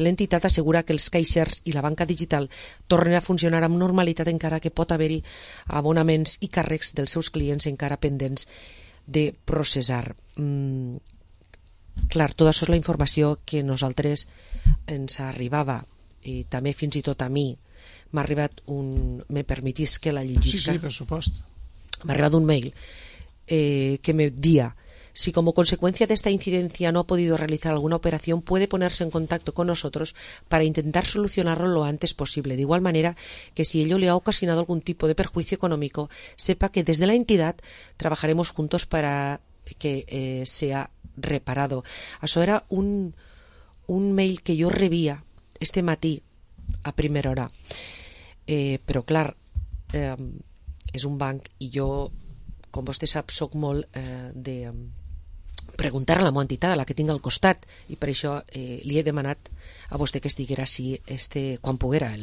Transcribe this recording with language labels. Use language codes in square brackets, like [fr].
[ca] L'entitat assegura que els caixers i la banca digital tornen a funcionar amb normalitat, encara que pot haver-hi abonaments i càrrecs dels seus clients encara pendents de processar. Clar, tot això és la informació que nosaltres ens arribava, i també fins i tot a mi. M'ha arribat un... Me permetis que la llegisca? Sí, per supost. M'ha arribat un mail que me dia: [es] si como consecuencia de esta incidencia no ha podido realizar alguna operación, puede ponerse en contacto con nosotros para intentar solucionarlo lo antes posible. De igual manera que si ello le ha ocasionado algún tipo de perjuicio económico, sepa que desde la entidad trabajaremos juntos para que sea reparado. [ca] Això era un mail que jo rebia este matí a primera hora, però clar, és un banc i jo, com vostè sap, soc molt de preguntar a la meva entitat, a la que tinc al costat, i per això li he demanat a vostè que estiguera així quan poguera.